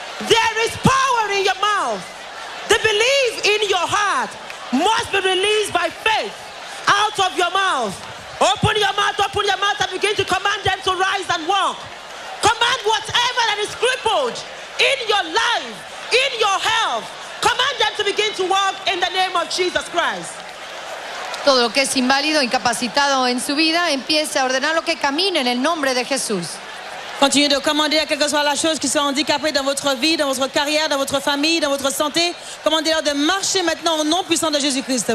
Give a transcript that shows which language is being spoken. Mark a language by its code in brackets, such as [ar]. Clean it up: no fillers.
[en] There is power in your mouth. The belief in your heart must be released by faith out of your mouth. Open your mouth, open your mouth, and begin to command them to rise and walk. Command whatever that is crippled in your life, in your health, command them to begin to walk in the name of Jesus Christ. [es] Todo lo que es inválido, incapacitado en su vida, empiece a ordenarlo que camine en el nombre de Jesús. [fr] Continuez de commander à quelque soit la chose qui soit handicapée dans votre vie, dans votre carrière, dans votre famille, dans votre santé. Commandez-leur de marcher maintenant au nom puissant de Jésus-Christ.